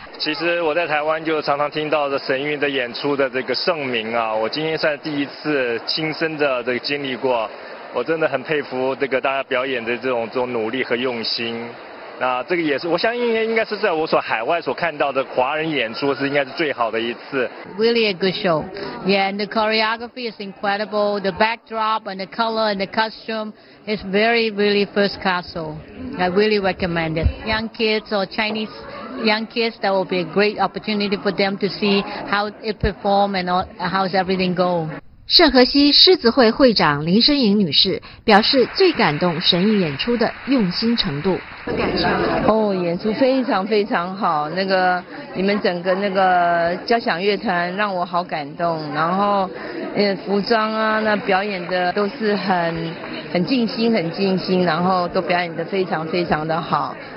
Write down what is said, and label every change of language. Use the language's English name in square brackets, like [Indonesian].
[Chinese] 其实我在台湾就常常听到的神韵的演出的这个盛名啊，我今天算是第一次亲身的这个经历过，我真的很佩服这个大家表演的这种努力和用心。那这个也是，我相信应该是在我所海外所看到的华人演出是应该是最好的一次。 [English] Really a good show. Yeah, and the choreography is incredible. The backdrop and the color and the costume is very, really first class. So I really recommend it. Young kids or Chinese young kids, that will be a great opportunity for them to see how it perform and how's everything go. [Chinese] 圣荷西狮子会会长林申莹女士表示，最感动神韵演出的用心程度。演出非常非常好，那个你们整个那个交响乐团让我好感动，然后服装啊，那表演的都是很尽心，然后都表演得非常非常的好，